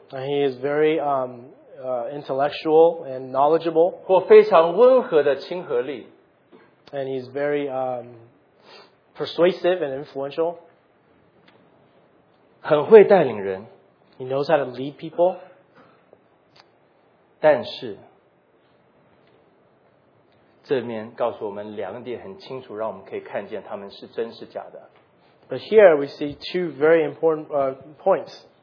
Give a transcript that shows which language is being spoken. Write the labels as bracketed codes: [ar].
[en] and he is very intellectual and knowledgeable. [zh] 或非常温和的亲和力, [en] and he's very persuasive and influential. [zh] 很会带领人, [en] he knows how to lead people. [zh] 但是这边告诉我们两点很清楚让我们可以看见他们是真是假的。 [en] But here we see two very important points.